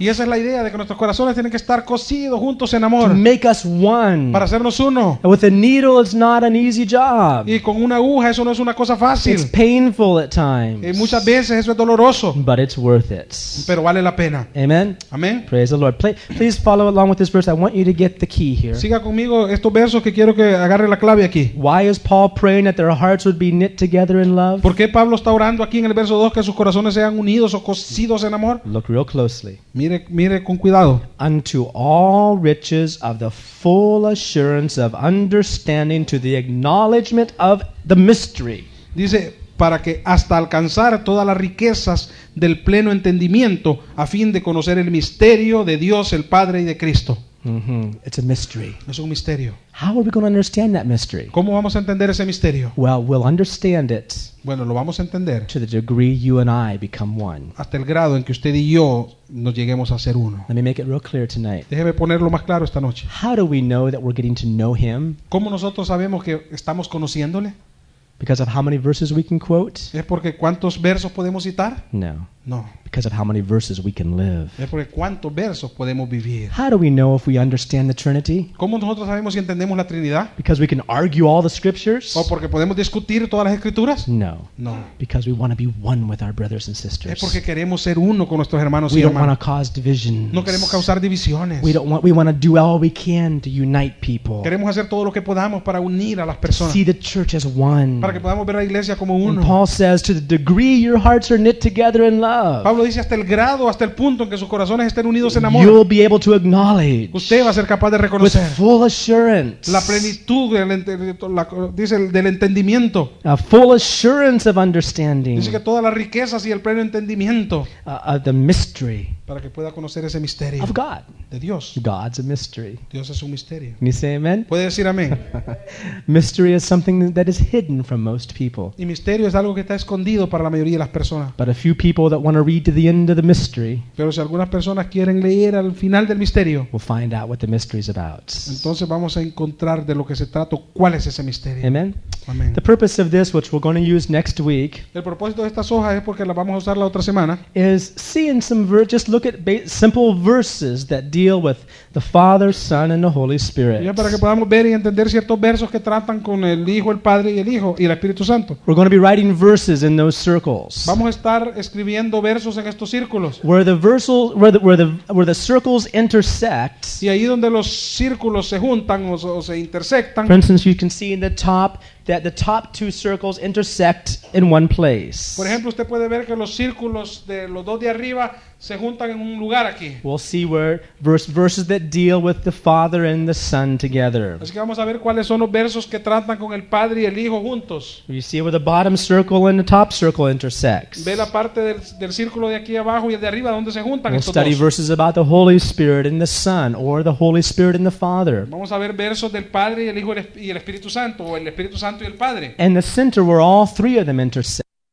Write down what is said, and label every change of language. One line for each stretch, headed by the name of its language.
Spanish: Y esa es la idea de que nuestros corazones tienen que estar cosidos juntos en amor.
English: To make us one.
Spanish: Para hacernos uno.
English: And with a needle, it's not an easy job.
Spanish: Y con una aguja eso no es una cosa fácil.
English: It's painful at times.
Spanish: Y muchas veces eso es doloroso.
English: But it's worth it.
Spanish: Pero vale la pena.
English: Amen.
Spanish: Amen.
English: Praise the Lord. Please follow along with this verse. I want you to get the key here.
Spanish: Siga conmigo estos versos que quiero que agarre. La clave aquí.
English: Why is Paul praying that their hearts would be knit together in love?
Spanish: ¿Por qué Pablo está orando aquí en el verso 2 que sus corazones sean unidos o cosidos en amor?
English: Look real closely.
Spanish: Mire con cuidado.
English: Unto all riches of the full assurance of understanding to the acknowledgement of the mystery.
Spanish: Dice para que hasta alcanzar todas las riquezas del pleno entendimiento a fin de conocer el misterio de Dios el Padre y de Cristo.
English: Mm-hmm. It's a mystery.
Spanish: Es un misterio.
English: How are we going to understand that mystery?
Spanish: ¿Cómo vamos a entender ese misterio?
English: Well, we'll understand it.
Spanish: Bueno, lo vamos a entender.
English: To the degree you and I become one.
Spanish: Hasta el grado en que usted y yo nos lleguemos a ser uno.
English: Let me make it real clear tonight.
Spanish: Déjeme ponerlo más claro esta noche.
English: How do we know that we're getting to know him?
Spanish: ¿Cómo nosotros sabemos que estamos conociéndole?
English: Because of how many verses we can quote?
Spanish: ¿Es porque cuántos versos podemos citar?
English: No.
Spanish: No.
English: Because of how many verses we can live.
Spanish: Es porque cuántos versos podemos vivir.
English: How do we know if we understand the Trinity?
Spanish: ¿Cómo nosotros sabemos si entendemos la Trinidad?
English: Because we can argue all the scriptures.
Spanish: ¿O porque podemos discutir todas las escrituras?
English: No.
Spanish: No.
English: Because we want to be one with our brothers and sisters.
Spanish: Es porque queremos ser uno con nuestros hermanos y hermanas.
English: We don't want to cause divisions.
Spanish: No queremos causar divisiones.
English: We want to do all we can to unite people.
Spanish: Queremos hacer todo lo que podamos para unir a las personas.
English: See the church as one.
Spanish: Para que podamos ver la iglesia como uno.
English: And Paul says, to the degree your hearts are knit together in love.
Spanish: Pablo dice hasta el grado, hasta el punto en que sus corazones estén unidos en amor.
English: You'll be able to acknowledge.
Spanish: Usted va a ser capaz de reconocer.
English: With full assurance.
Spanish: La plenitud del entendimiento.
English: A full assurance of understanding.
Spanish: Dice que todas las riquezas y el pleno entendimiento.
English: The mystery.
Spanish: Para que pueda conocer ese misterio.
English: Of God.
Spanish: De Dios.
English: God's a mystery.
Spanish: Dios es un misterio.
English: Can you say amen?
Spanish: ¿Puede decir amén?
English: Mystery is something that is hidden from most people.
Spanish: Y misterio es algo que está escondido para la mayoría de las personas.
English: But a few people that want to read to the end of the mystery.
Spanish: Pero si algunas personas quieren leer al final del misterio.
English: We'll find out what the mystery is about.
Spanish: Entonces vamos a encontrar de lo que se trata, cuál es ese misterio.
English: Amen.
Spanish: Amen.
English: The purpose of this, which we're going to use next week.
Spanish: El propósito de estas hojas es porque las vamos a usar la otra semana.
English: Is seeing some just look at simple verses that deal with the Father, Son, and the Holy Spirit.
Spanish: Ya para que podamos ver y entender ciertos versos que tratan con el Hijo, el Padre y el Hijo y el Espíritu Santo.
English: We're going to be writing verses in those circles.
Spanish: Vamos a estar escribiendo versos en estos círculos.
English: Where the circles intersect.
Spanish: Y ahí donde los círculos se juntan o se intersectan.
English: For instance, you can see in the top that the top two circles intersect in one place.
Spanish: Por ejemplo, usted puede ver que los círculos de los dos de arriba se juntan en un lugar aquí.
English: We'll see where verses that deal with the Father and the Son together.
Spanish: Así que vamos a ver cuáles son los versos que tratan con el Padre y el Hijo juntos.
English: You see where the bottom circle and the top circle intersect.
Spanish: Ve la parte del círculo de aquí abajo y el de arriba donde se juntan estos dos.
English: We'll study verses about the Holy Spirit and the Son, or the Holy Spirit and the Father.
Spanish: Vamos a ver versos del Padre y el Hijo y el Espíritu Santo, o el Espíritu Santo.
English: And the center where all three of them intersect.